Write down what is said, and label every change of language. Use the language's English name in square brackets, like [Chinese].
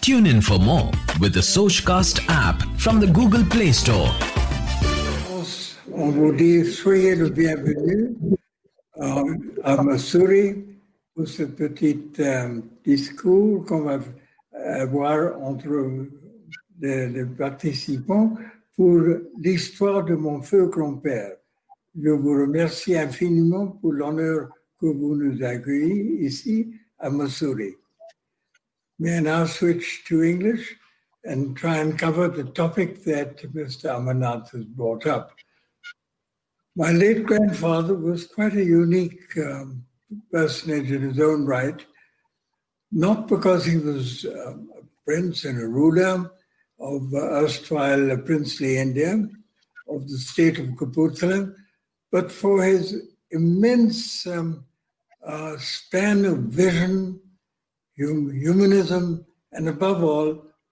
[English] Tune in for more with the Sochcast app from the Google Play Store. [French] Aujourd'hui, soyez le bienvenu à Missouri pour ce petit discours qu'on va avoir entre les participants pour l'histoire de mon feu grand-père. Je vous remercie infiniment pour l'honneur que vous nous accueillez ici à Missouri. [English] May I now switch to English and try and cover the topic that Mr. Amarnath has brought up. My late grandfather was quite a unique personage in his own right, not because he was a prince and a ruler of erstwhile princely India, of the state of Kapurthala, but for his immense span of vision, humanism, and above all,